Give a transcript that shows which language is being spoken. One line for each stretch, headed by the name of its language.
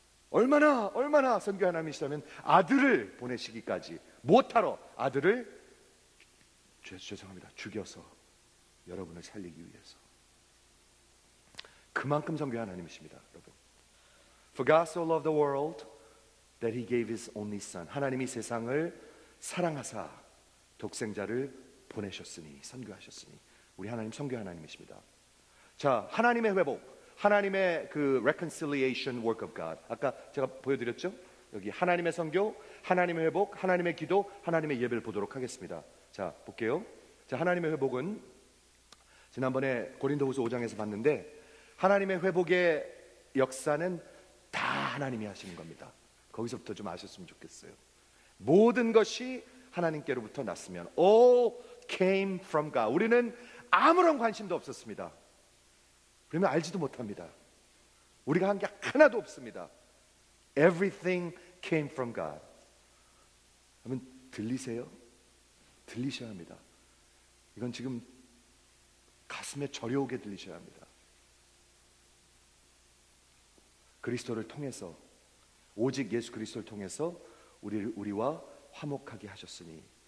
Korean: 얼마나 선교의 하나님이시다면 아들을 보내시기까지, 못하러 아들을 죄송합니다 죽여서 여러분을 살리기 위해서, 그만큼 선교의 하나님이십니다, 여러분.
English: For God so loved the world that he gave his only son.
Korean: 하나님이 세상을 사랑하사 독생자를 보내셨으니, 선교하셨으니. 우리 하나님 선교 하나님이십니다. 자, 하나님의 회복, 하나님의 그
English: reconciliation work of God.
Korean: 아까 제가 보여드렸죠? 여기 하나님의 선교, 하나님의 회복, 하나님의 기도, 하나님의 예배를 보도록 하겠습니다. 자, 볼게요. 자, 하나님의 회복은 지난번에 고린도후서 5장에서 봤는데, 하나님의 회복의 역사는 다 하나님이 하시는 겁니다. 거기서부터 좀 아셨으면 좋겠어요. 모든 것이 하나님께로부터 났으면,
English: All came from God.
Korean: 우리는 아무런 관심도 없었습니다. 그러면 알지도 못합니다. 우리가 한 게 하나도 없습니다.
English: Everything came from God.
Korean: 그러면 들리세요? 들리셔야 합니다. 이건 지금 가슴에 저려오게 들리셔야 합니다. 그리스도를 통해서, 오직 예수 그리스도를 통해서 우리와 화목하게 하셨으니.